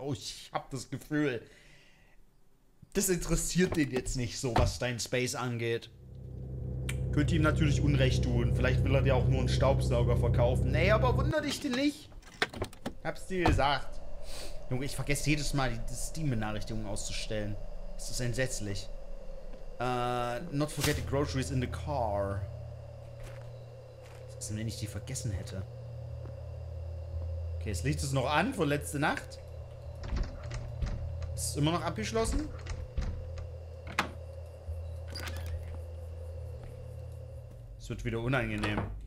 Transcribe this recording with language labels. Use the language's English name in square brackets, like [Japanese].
[German] Oh, ich hab das Gefühl, das interessiert den jetzt nicht so, was dein Space angeht. Könnte ihm natürlich Unrecht tun. Vielleicht will er dir auch nur einen Staubsauger verkaufen. Nee, aber wunder dich denn nicht. Hab's dir gesagt. Junge, ich vergesse jedes Mal, die Steam-Benachrichtigung auszustellen. Das ist entsetzlich. [English] Not forget the groceries in the car. [German] Was ist denn, wenn ich die vergessen hätte? Okay, das Licht ist noch an von letzte Nacht. Ist immer noch abgeschlossen. Es wird wieder unangenehm.